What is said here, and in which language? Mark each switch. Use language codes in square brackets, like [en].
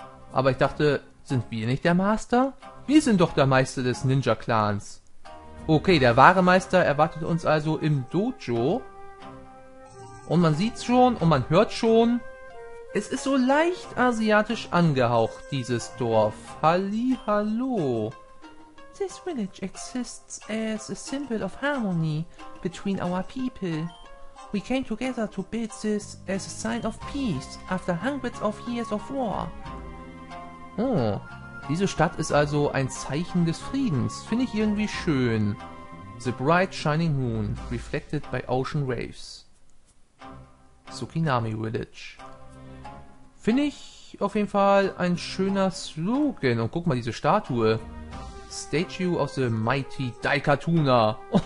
[de] Aber ich dachte, sind wir nicht der Master? Wir sind doch der Meister des Ninja-Clans. Okay, der wahre Meister erwartet uns also im Dojo. Und man sieht's schon und man hört schon. Es ist so leicht asiatisch angehaucht, dieses Dorf. Hallihallo. [en] This village exists as a symbol of harmony between our people. We came together to build this as a sign of peace after hundreds of years of war. [de] Oh, diese Stadt ist also ein Zeichen des Friedens. Finde ich irgendwie schön. [en] The bright shining moon reflected by ocean waves. Tsukinami Village. [de] Finde ich auf jeden Fall ein schöner Slogan. Und guck mal, diese Statue. [en] Statue of the Mighty Daikatuna.